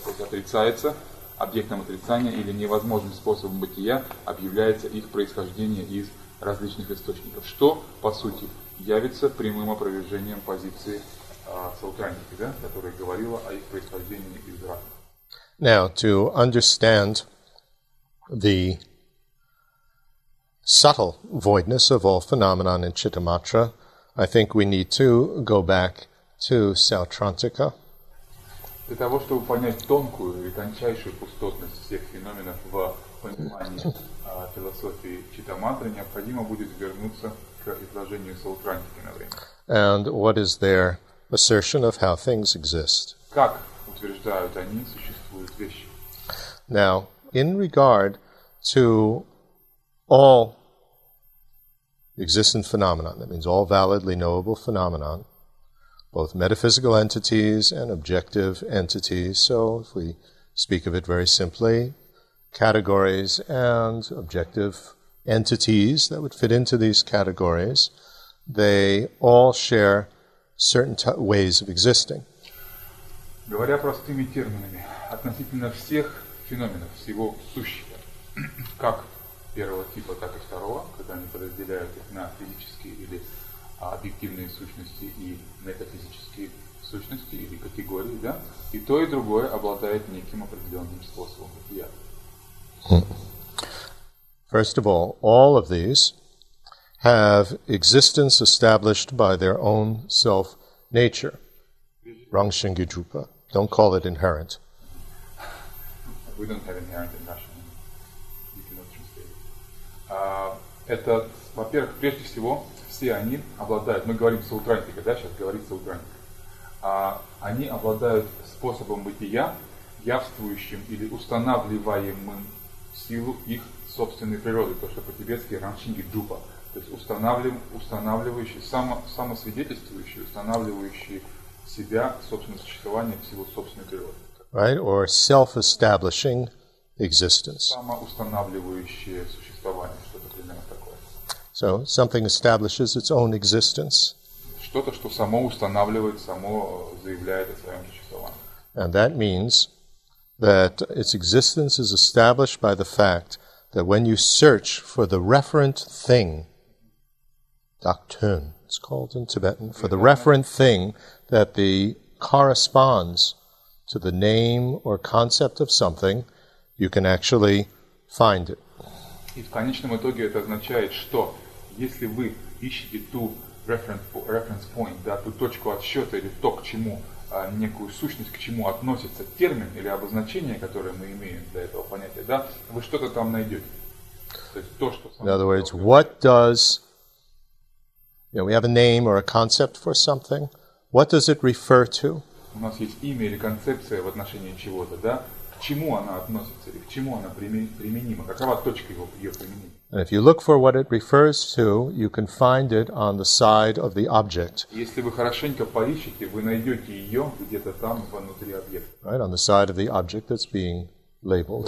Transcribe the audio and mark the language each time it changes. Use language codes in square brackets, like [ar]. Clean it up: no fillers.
[ru] То есть, отрицается объектом отрицания или невозможным способом бытия объявляется их происхождение из различных источников, что, по сути, явится прямым опровержением позиции Саутраники, да, которая говорила о их происхождении из разных. [en] Now, to understand the subtle voidness of all phenomenon in Chittamatra, I think we need to go back to Sautrantika. [ru] Для того, чтобы понять тонкую или тончайшую пустотность всех феноменов в понимании философии Читтаматры, необходимо будет вернуться к изложению Саутрантики на время. [en] And what is their assertion of how things exist? [ru] Как утверждают они, существуют вещи? [en] Now, in regard to all existent phenomena, that means all validly knowable phenomena, both metaphysical entities and objective entities. So if we speak of it very simply, categories and objective entities that would fit into these categories, they all share certain ways of existing. [ru] Говоря простыми терминами, относительно всех феноменов, всего сущего, как первого типа, так и второго, когда они подразделяют их на физические или объективные сущности и метафизические сущности или категории, да, и то, и другое обладает неким определенным способом бытия. [en] First of all of these have existence established by their own self nature. Rangshin Gidrupa. Don't call it inherent. We don't have inherent in Russian. You cannot translate it. [ru] Это, во-первых, прежде всего, все они обладают, мы говорим Саутрантика, да, сейчас говорит Саутрантика, они обладают способом бытия, явствующим или устанавливаемым в силу их собственной природы, то, что по-тибетски ранчинги дупа, то есть устанавливающий, самосвидетельствующий, устанавливающий себя, собственное существование в силу собственной природы. [en] Right, or self-establishing existence. [ru] Самоустанавливающее существование, что-то примерно такое. [en] So something establishes its own existence. [ru] Что-то, что само устанавливает, само заявляет о своем существовании. [en] And that means that its existence is established by the fact that when you search for the referent thing, daktun, it's called in Tibetan, for the referent thing that the corresponds to the name or concept of something, you can actually find it. [ru] И в конечном итоге это означает, что если вы ищете ту [en] reference point, [ru] да, ту точку отсчета или то, к чему, некую сущность, к чему относится термин или обозначение, которое мы имеем для этого понятия, да, вы что-то там найдете. То есть то, что... [en] In other words, what does... You know, we have a name or a concept for something. What does it refer to? [ru] У нас есть имя или концепция в отношении чего-то, да? К чему она относится или к чему она применима? Какова точка ее применения? [en] And if you look for what it refers to, you can find it on the side of the object. [ru] Если вы хорошенько поищете, вы найдете ее где-то там внутри объекта. [en] Right, on the side of the object that's being labeled.